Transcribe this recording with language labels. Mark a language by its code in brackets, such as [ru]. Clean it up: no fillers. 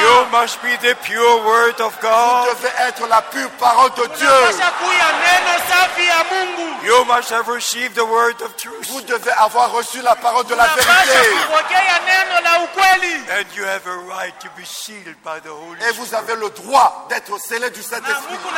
[en] You must be the pure word of God. [fr] Vous devez être la pure parole de Dieu. [en] You must have received the word of truth. [fr] Vous devez avoir reçu la parole de la vérité. [en] And you have a right to be sealed by the Holy Spirit. [fr] Et vous avez le droit d'être scellé du Saint-Esprit.